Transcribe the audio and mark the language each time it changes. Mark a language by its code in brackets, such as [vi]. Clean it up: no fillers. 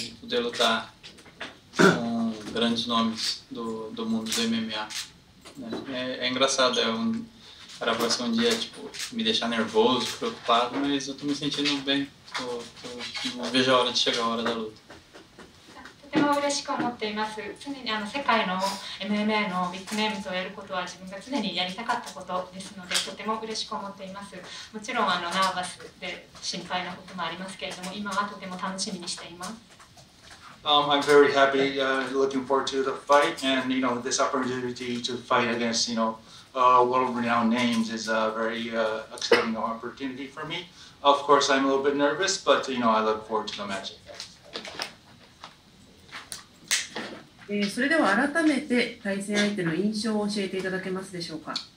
[pt] De poder lutar com grandes nomes do mundo do MMA. Né? É engraçado, era pra ser um dia tipo me deixar nervoso, preocupado, mas eu tô me sentindo bem. Não vejo a hora de chegar a hora da luta. [ja] とても嬉しく思っています。常に世界の MMA のビッグネームとやることは自分が常にやりたかったことですので、とても嬉しく思っています。もちろんナーバスで心配なこともありますけれども、今はとても楽しみにしています。 [en] I'm very happy, looking forward to the fight, and you know, this opportunity to fight against, you know, world-renowned names is a very exciting opportunity for me. Of course, I'm a little bit nervous, but you know, I look forward to the match. [ja] それでは改めて対戦相手の印象を教えていただけますでしょうか？